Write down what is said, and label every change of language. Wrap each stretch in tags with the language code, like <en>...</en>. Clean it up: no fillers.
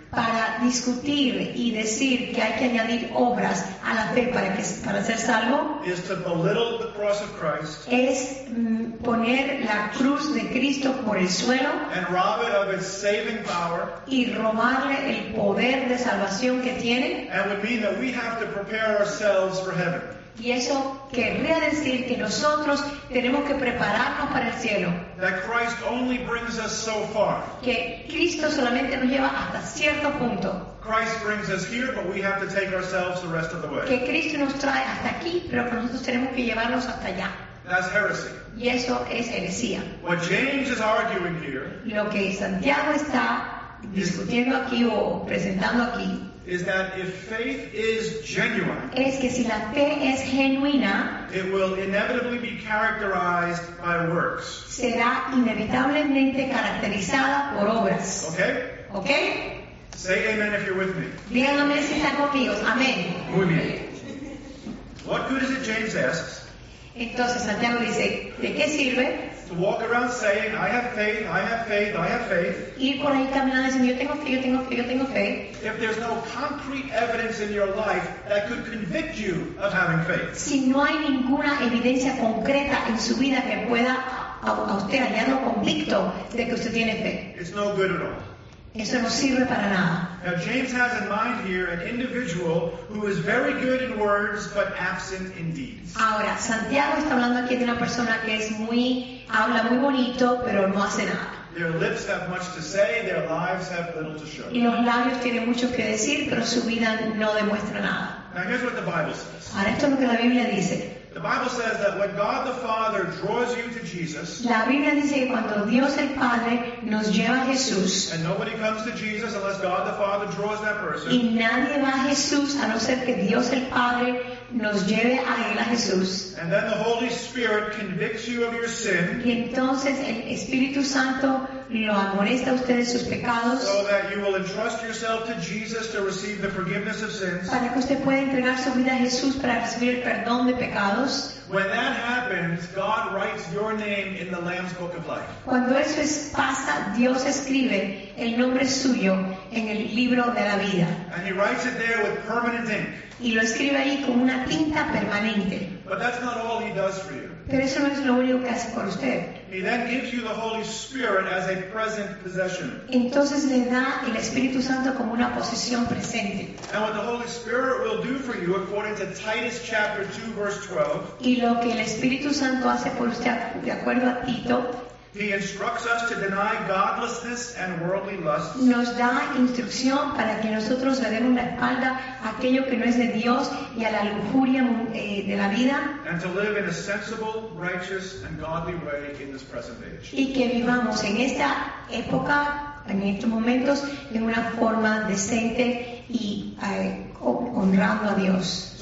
<es>Para discutir y decir que hay que añadir obras a la fe para ser salvo.</es> <en>Is to belittle the cross of Christ.</en> <es>Es poner la cruz de Cristo por el suelo.</es> <en>And rob it of its saving power.</en> <es>Y robarle el poder de salvación que tiene.</es> <en>And would mean that we have to prepare ourselves for heaven.</en> <es>Y eso querría decir que nosotros tenemos que prepararnos para el cielo.</es> <en>That Christ only brings us so far.</en> <es>Que Cristo solamente nos lleva hasta cierto punto.</es> <en>Christ brings us here, but we have to take ourselves the rest of the way.</en> <es>Que Cristo nos trae hasta aquí, pero que nosotros tenemos que llevarnos hasta allá.</es> <en>That's heresy.</en> <es>Y eso es heresía.</es> <en>What James is arguing here,</en> <es>lo que Santiago está discutiendo aquí o presentando aquí,</es> <en>is that if faith is genuine,</en> <es>es que si la fe es genuina,</es> <en>it will inevitably be characterized by works.</en> <es>Será inevitablemente caracterizada por obras. Okay? Okay?</es> <en>Say amen if you're with me.</en> <es>Díganme si están conmigo. Amén. Muy bien.</es> <en>What good is it, James asks?</en> <es>Entonces Santiago dice, ¿de qué sirve?</es> <en>To walk around saying, I have faith, I have faith, I have faith.</en> <es>Ir por ahí caminando diciendo, yo tengo fe, yo tengo fe, yo tengo fe.</es> <en>If there's no concrete evidence in your life that could convict you of having faith.</en> <es>Si no hay ninguna evidencia concreta en su vida que pueda a usted hallarlo convicto de que usted tiene fe.</es> <en>It's no good at all.</en> <es>Eso no sirve para nada.</es> <en>Now James has in mind here an individual who is very good in words but absent in deeds.</en> <es>Ahora, Santiago está hablando aquí de una persona que es muy, habla muy bonito, pero no hace nada.</es> <en>Their lips have much to say, their lives have little to show.</en> <es>Y los labios tienen mucho que decir, pero su vida no demuestra nada.</es> <en>Now here's what the Bible says.</en> <es>Ahora esto es lo que la Biblia dice.</es> <en>The Bible says that when God the Father draws you to Jesus,</en> <es>la Biblia dice que cuando Dios el Padre nos lleva a Jesús,</es> <en>and nobody comes to Jesus unless God the Father draws that person,</en> <es>y nadie va a Jesús a no ser que Dios el Padre nos lleve a él, a Jesús,</es> <en>and then the Holy Spirit convicts you of your sin,</en> <es>y entonces el Espíritu Santo lo amonesta a ustedes sus pecados,</es> <en>so that you will entrust yourself to Jesus to receive the forgiveness of sins.</en> <es>Para que usted pueda entregar su vida a Jesús para recibir el perdón de pecados.</es> <en>When that happens, God writes your name in the Lamb's Book of Life.</en> <es>Cuando eso pasa, Dios escribe el nombre suyo en el libro de la vida.</es> <en>And he writes it there with permanent ink.</en> <es>Y lo escribe ahí con una tinta permanente.</es> <en>But that's not all he does for you.</en> <es>Pero eso no es lo único que hace por usted.</es> <en>He then gives you the Holy Spirit as a present possession.</en> <es>Entonces le da el Espíritu Santo como una posesión presente.</es> <en>And what the Holy Spirit will do for you, according to Titus chapter 2, verse 12.</en> <es>Y lo que el Espíritu Santo hace por usted, de acuerdo a Tito.</es> <en>He instructs us to deny godlessness and worldly lusts.</en> <es>Nos da instrucción para que nosotros le demos la espalda a aquello que no es de Dios y a la lujuria de la vida.</es> <en>And to live in a sensible, righteous, and godly way in this present age.</en> <es>Y que vivamos en esta época, en estos momentos, en una forma decente y honrando a Dios.</es>